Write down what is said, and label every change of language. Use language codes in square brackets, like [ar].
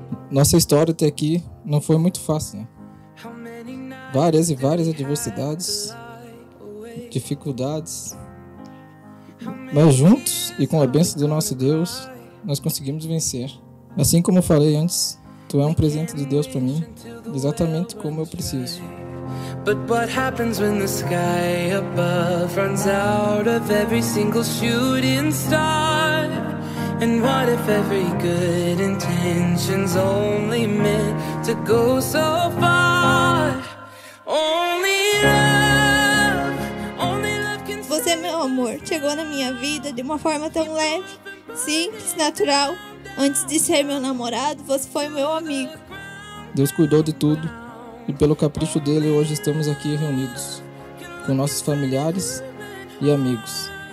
[pt] Nossa história até aqui não foi muito fácil, né? Várias e várias adversidades, dificuldades. Mas juntos e com a bênção do nosso Deus, nós conseguimos vencer. Assim como eu falei antes, tu é um presente de Deus para mim, exatamente como eu preciso. [en] But what happens when the sky above runs out of every single shooting star? And what if every good intention's only meant to go so far? Only love, only love can. [pt] Você, meu amor, chegou na minha vida de uma forma tão leve, simples, natural. Antes de ser meu namorado, você foi meu amigo. Deus cuidou de tudo. E pelo capricho dele, hoje estamos aqui reunidos com nossos familiares e amigos.